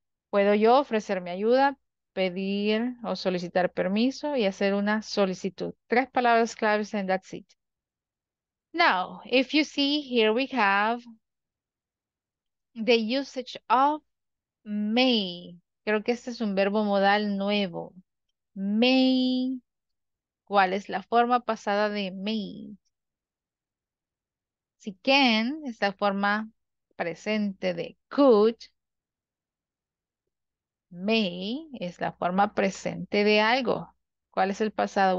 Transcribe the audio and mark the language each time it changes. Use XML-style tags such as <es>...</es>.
<es>¿Puedo yo ofrecer mi ayuda, pedir o solicitar permiso y hacer una solicitud? Tres palabras claves</es> <en>and that's it. Now, if you see, here we have the usage of may.</en> <es>Creo que este es un verbo modal nuevo. May. ¿Cuál es la forma pasada de may? Si can es la forma presente de could, may es la forma presente de algo. ¿Cuál es el pasado?</es>